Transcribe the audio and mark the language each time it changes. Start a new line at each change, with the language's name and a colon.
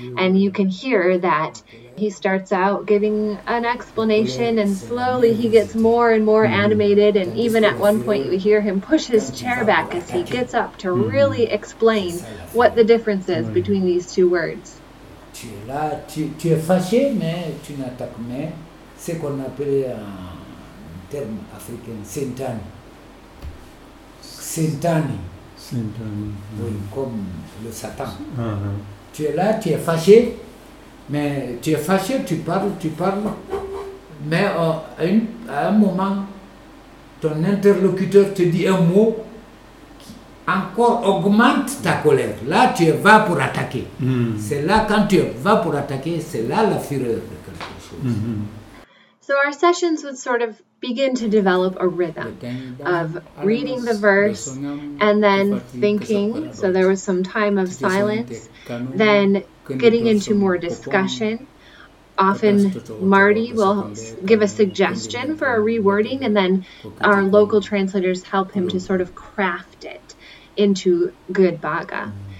English: And you can hear that he starts out giving an explanation and slowly he gets more and more animated. And even at one point you hear him push his chair back as he gets up to really explain what the difference is between these two words.
French: Tu es là, tu es fâché, mais tu n'attaques pas. C'est qu'on appelle un terme africain, sentan. Sentani. Sentani. Oui, comme le Satan. Uh-huh. Tu es là, tu es fâché. Mais tu es fâché, tu parles. Mais à un moment, ton interlocuteur te dit un mot qui encore augmente ta colère. Là, tu vas pour attaquer. Mm-hmm. C'est là, quand tu vas pour attaquer, c'est là la fureur de quelque chose. Mm-hmm.
English: So our sessions would sort of begin to develop a rhythm of reading the verse and then thinking. So there was some time of silence, then getting into more discussion. Often Marty will give a suggestion for a rewording and then our local translators help him to sort of craft it into good Baga.